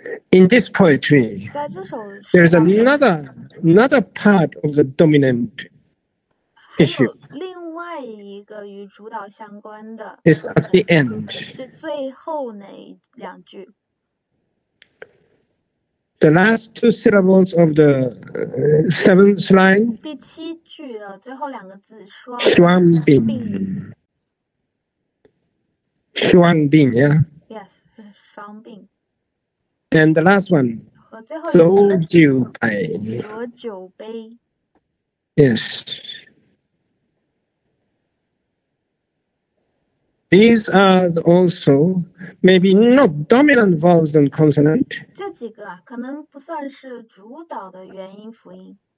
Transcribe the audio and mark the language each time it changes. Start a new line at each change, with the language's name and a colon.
English: In this poetry, there's another part of the dominant issue.
Chinese: 另外一个与主导相关的,
English: it's at the end.
Chinese: 最后那两句。
English: The last two syllables of the seventh line.
Chinese: 第七句的最后两个字, 双病.
English: Yeah? Yes, 双病. And the last one.
Chinese: 和最后一句, 浊酒杯.
English: Yes. These are also maybe not dominant vowels and consonants.
Chinese: 这几个可能不算是主导的元音辅音,